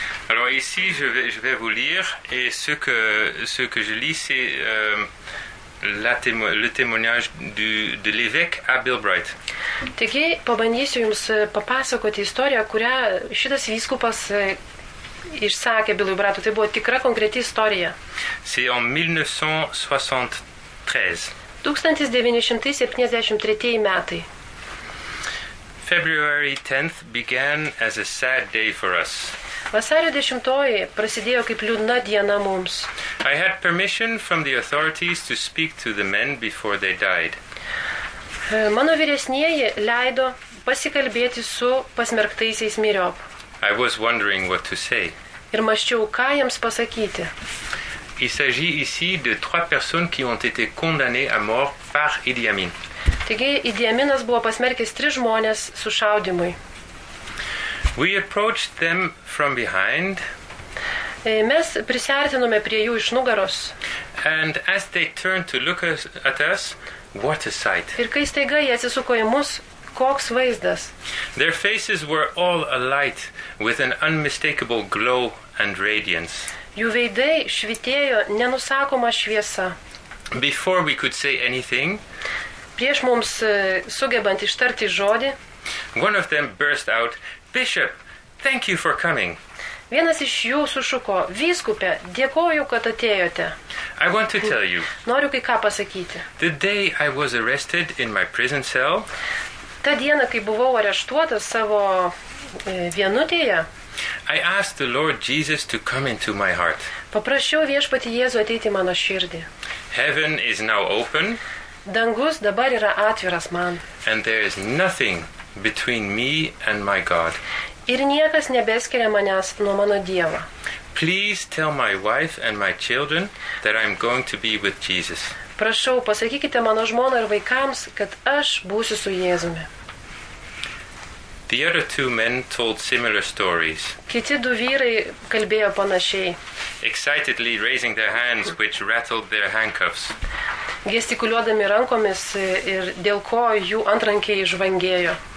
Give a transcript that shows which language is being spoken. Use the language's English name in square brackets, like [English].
[French] Alors ici je vais vous lire et ce que je lis c'est le témoignage de l'évêque à Bill Bright. [Lithuanian] Taigi, pabandysiu jums papasakoti istoriją, kurią šitas vyskupas išsakė Billui Brightui. Tai buvo tikra konkreti istorija. [French] C'est en 1973. [Lithuanian] 1973 metai. [English] February 10th began as a sad day for us. [Lithuanian] Vasario 10-oji prasidėjo kaip liūdna diena mums. [English] I had permission from the authorities to speak to the men before they died. [Lithuanian] Mano vyresnieji leido pasikalbėti su pasmerktaisiais myriop. [English] I was wondering what to say. [Lithuanian] Ir mąsčiau, ką jiems pasakyti. [French] Il s'agit ici de trois personnes qui ont été condamnées à mort par Idi Amin. [Lithuanian] Taigi, Idi Aminas buvo pasmerkęs tris žmonės sušaudimui. [English] We approached them from behind. [Lithuanian] Mes prisiartinome prie jų iš nugaros. [English] And as they turned to look at us, what a sight. [Lithuanian] Ir kai staiga jie atsisuko į mus, Koks vaizdas? [English] Their faces were all alight with an unmistakable glow and radiance. [Lithuanian] Jų veidai švytėjo nenusakoma šviesa. [English] Before we could say anything, [Lithuanian] prieš mums sugebant ištarti žodį, [English] one of them burst out, "Bishop, thank you for coming." [Lithuanian] Vienas iš jų sušuko, "Vyskupe, dėkoju, kad atėjote." [English] I want to tell you. [Lithuanian] Noriu kai ką pasakyti. [English] The day I was arrested in my prison cell, [Lithuanian] ta diena, kai buvau areštuotas savo vienutėje, [English] I asked the Lord Jesus to come into my heart. [Lithuanian] Paprašiau viešpatį Jėzų ateiti mano širdį. [English] Heaven is now open. [Lithuanian] Dangus dabar yra atviras man. [English] And there is nothing between me and my God. [Lithuanian] Ir niekas nebeskiria manęs nuo mano Dievo. [English] Please tell my wife and my children that I'm going to be with Jesus. [Lithuanian] Prašau, pasakykite mano žmoną ir vaikams, kad aš būsiu su Jėzumi. [English] The other two men told similar stories. [Lithuanian] Kiti du vyrai kalbėjo panašiai. [English] Excitedly raising their hands, which rattled their handcuffs. [Lithuanian] Gestikuliuodami rankomis ir dėl ko jų antrankiai žvangėjo.